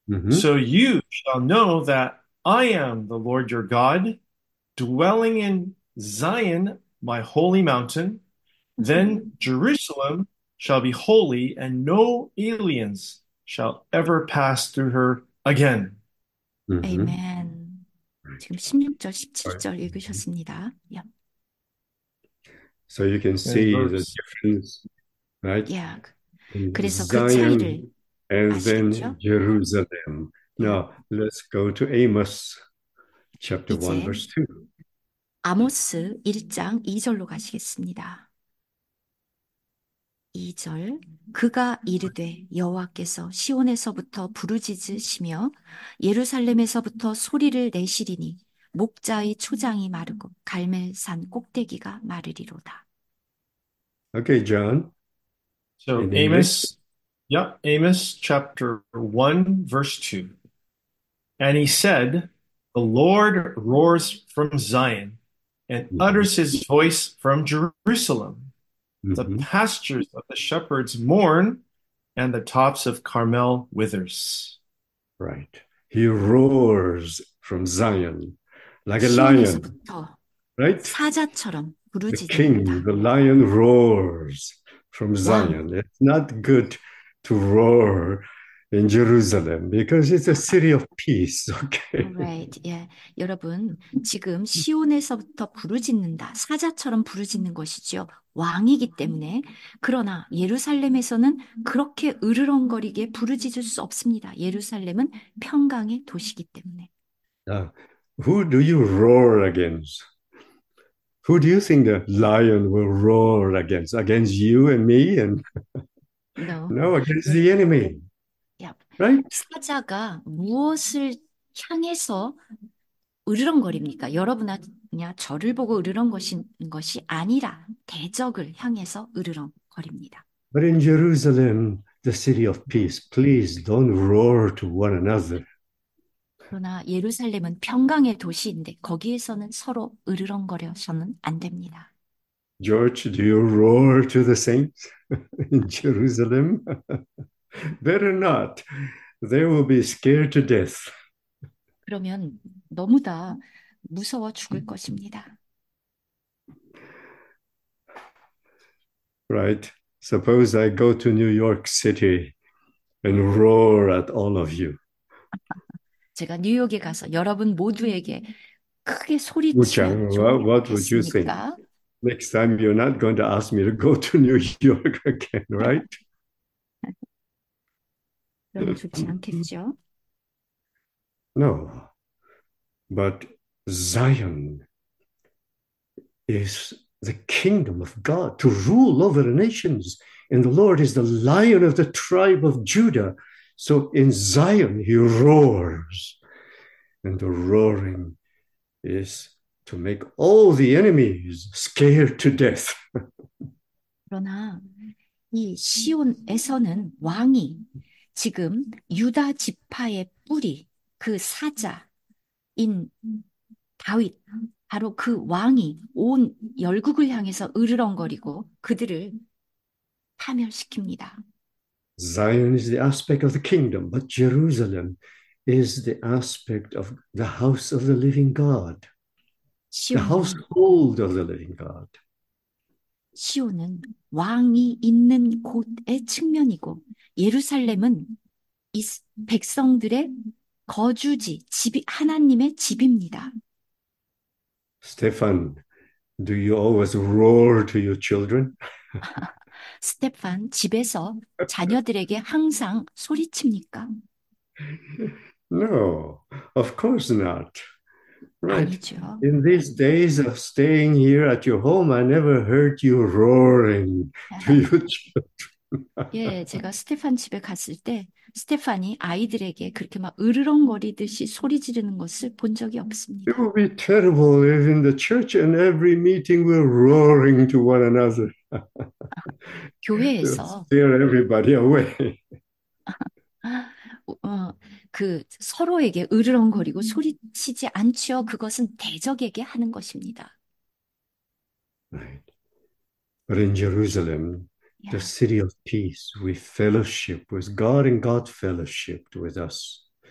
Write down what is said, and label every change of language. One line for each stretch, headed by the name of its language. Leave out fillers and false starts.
English: So you shall know that I am the Lord your God, dwelling in Zion, my holy mountain. Then Jerusalem shall be holy, and no aliens shall ever pass through her again. Amen.
Korean: 지금 16절, 17절 읽으셨습니다.
English: So you can Yeah. see the difference, right? Yeah. In
Korean: 그래서 그 차이를
English: Zion and then
Korean: 아시겠죠?
English: Jerusalem. Now let's go to Amos chapter 1,
Korean: 이제
English: verse 2.
Korean: 아모스 1장 2절로 가시겠습니다. 2절, 그가 이르되 여호와께서 시온에서부터 부르짖으시며 예루살렘에서부터 소리를 내시리니 목자의 초장이 마르고 갈멜산 꼭대기가 마르리로다.
English: Okay, John, So in English. Amos chapter 1, verse 2. And he said, the Lord roars from Zion and utters his voice from Jerusalem. The pastures of the shepherds mourn and the tops of Carmel withers. Right. He roars from Zion like a lion,
Korean: 시온에서부터
English: right?
Korean: 사자처럼
English: The king,
Korean: 부르짖는다.
English: the lion roars from
Korean: 왕.
English: Zion. It's not good to roar in Jerusalem because it's a city of peace, okay? Alright, 예.
Korean: 여러분, 지금 시온에서부터 부르짖는다. 사자처럼 부르짖는 것이죠. 왕이기 때문에. 그러나 예루살렘에서는 그렇게 으르렁거리게 부르짖을 수 없습니다. 예루살렘은 평강의 도시이기 때문에.
English: Who do you roar against? Who do you think the lion will roar against? Against you and me? And No. no, against the enemy. Right?
Korean: 사자가 무엇을 향해서 으르렁거립니까? 여러분이나 저를 보고 으르렁거리는 것이 아니라 대적을 향해서 으르렁거립니다.
English: But in Jerusalem, the city of peace, please don't roar to one another.
Korean: 그러나 예루살렘은 평강의 도시인데 거기에서는 서로 으르렁거려서는 안 됩니다.
English: George, do you roar to the saints in Jerusalem? Better not. They will be scared to death.
Korean: 그러면 너무 다 무서워 죽을 것입니다.
English: Right. Suppose I go to New York City and roar at all of you.
Korean: 제가 뉴욕에 가서 여러분 모두에게 크게 소리치면
English: 우창, what would you think?
Korean: 좋겠습니까?
English: Next time, you're not going to ask me to go to New York again, right?
Korean: 그러면 좋지 않겠죠?
English: No, but Zion is the kingdom of God to rule over the nations, and the Lord is the lion of the tribe of Judah. So in Zion, he roars, and the roaring is to make all the enemies scared to death.
Korean: 그러나 이 시온에서는 왕이 지금 유다 지파의 뿌리, 그 사자인 다윗, 바로 그 왕이 온 열국을 향해서 으르렁거리고 그들을 파멸시킵니다.
English: Zion is the aspect of the kingdom, but Jerusalem is the aspect of the house of the living God, the
Korean: 시온이란
English: household of the living God.
Korean: 시온은 왕이 있는 곳의 측면이고 예루살렘은 백성들의 거주지, 집이 하나님의 집입니다.
English: Stefan, do you always roar to your children?
Korean: 스테판, 집에서 자녀들에게 항상 소리칩니까?
English: No, of course not. Right?
Korean: 아니죠.
English: In these days of staying here at your home, I never heard you roaring to your children.
Korean: 예, 제가 스테판 집에 갔을 때 스테판이 아이들에게 그렇게 막 으르렁거리듯이 소리 지르는 것을 본 적이
English: It
Korean: 없습니다.
English: would be terrible if in the church and every meeting we're roaring to one another. They'll
Korean: 교회에서
English: scare everybody away.
Korean: 그 서로에게 으르렁거리고 소리치지 않지요. 그것은 대적에게 하는 것입니다.
English: But in Jerusalem, the city of peace, we fellowship with God and God fellowshipped with us.